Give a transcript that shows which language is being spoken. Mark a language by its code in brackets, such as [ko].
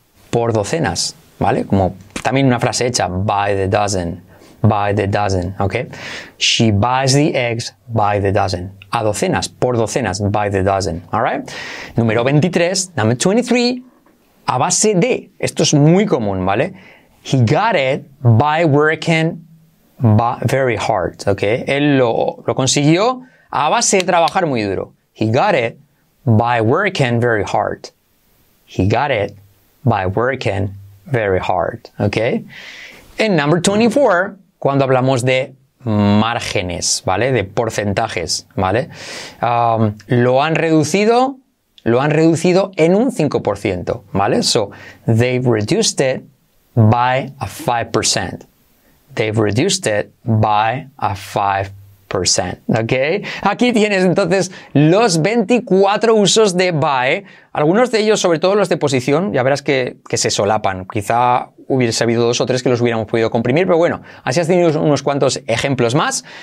[es] Por docenas, ¿vale? Como también una frase hecha, [en] by the dozen, [es] ¿ok? [en] She buys the eggs by the dozen, [es] a docenas, por docenas, [en] by the dozen, ¿alright? [es] Número 23, [en] number 23, [es] a base de, esto es muy común, ¿vale? [en] He got it by working very hard, ¿ok? [es] Él lo consiguió a base de trabajar muy duro. [en] He got it by working very hard. He got it by working very hard. Okay. And number 24, [es] cuando hablamos de márgenes, ¿vale? De porcentajes, ¿vale? Lo han reducido en un 5%, ¿vale? [en] So, they've reduced it by a 5%. They've reduced it by a 5%. [es] Ok, aquí tienes entonces los 24 usos de by, algunos de ellos, sobre todo los de posición, ya verás que se solapan, quizá hubiese habido dos o tres que los hubiéramos podido comprimir, pero bueno, así has tenido unos cuantos ejemplos más.